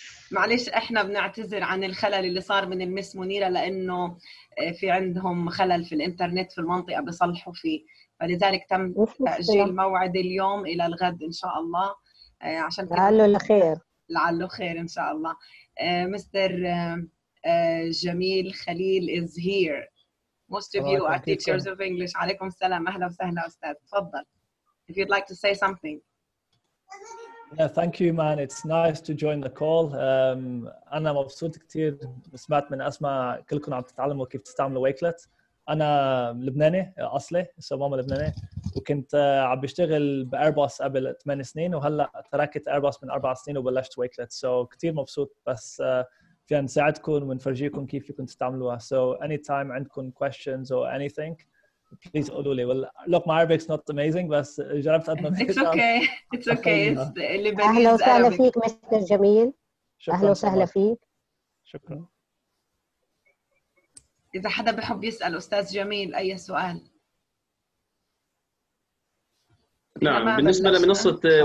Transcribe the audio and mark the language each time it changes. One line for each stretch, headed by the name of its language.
Arabic: معلش احنا بنعتذر عن الخلل اللي صار من المس منيرة، لانه في عندهم خلل في الانترنت في المنطقة بيصلحوا فيه، فلذلك تم تأجيل موعد اليوم الى الغد ان شاء الله. عشان لعله الخير، لعله خير ان شاء الله.
English: Mister Jamil Khalil is here. Most of you are teachers of English.
Arabic: عليكم السلام، اهلا وسهلا استاذ، تفضل.
English: If you'd like to say something. Yeah, thank you, man. It's nice to join the call.
Arabic: أنا مبسوط كتير سمعت من أسماء كلكم عم تتعلموا كيف تستعملوا Wakelet. أنا لبناني أصلي، سو ماما لبناني، وكنت عم بشتغل بأيرباص قبل 8 سنين، وهلأ تركت أيرباص من 4 سنين وبلشت Wakelet. So كتير مبسوط بس فينا نساعدكم ونفرجيكم كيف يكون تستعملوها.
English: So anytime عندكم questions or anything, please قولوا لي. Look, my Arabic's not amazing, بس جربت قد ما فيك. It's okay. It's okay.
Arabic: أهلا وسهلا فيك مستر جميل. أهلا وسهلا فيك. شكرا. إذا حدا بحب يسأل أستاذ جميل أي سؤال. نعم. بالنسبة لمنصة.